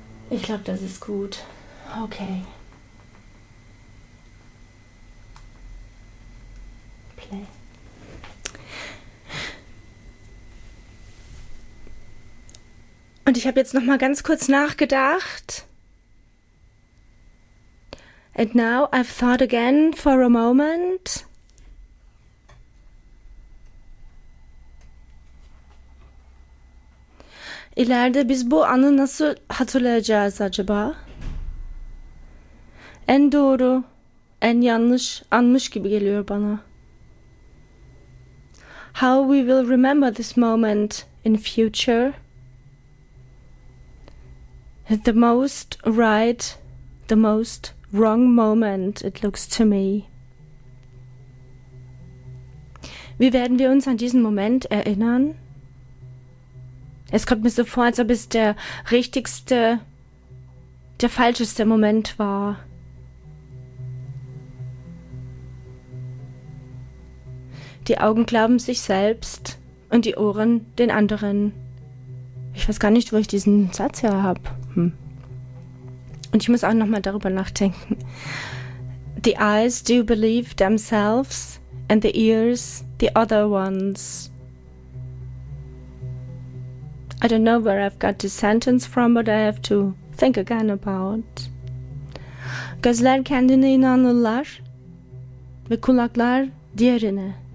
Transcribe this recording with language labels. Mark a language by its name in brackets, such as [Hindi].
[German] Ich glaube, das ist gut. Okay. [English] Play. [German] Und ich habe jetzt noch mal ganz kurz nachgedacht. [English] And now I've thought again for a moment. [Turkish] İleride biz bu anı nasıl hatırlayacağız acaba? En doğru, en yanlış anmış gibi geliyor bana. [English] How we will remember this moment in future? The most right, the most wrong moment, it looks to me. [German] Wie werden wir uns an diesen Moment erinnern? Es kommt mir so vor, als ob es der richtigste, der falscheste Moment war. Die Augen glauben sich selbst und die Ohren den anderen. Ich weiß gar nicht, wo ich diesen Satz her habe. Und ich muss auch nochmal darüber nachdenken. [English] The eyes do believe themselves and the ears the other ones. I don't know where I've got this sentence from, but I have to think again about. [Turkish] Gözler kendine inanırlar ve kulaklar diğerine.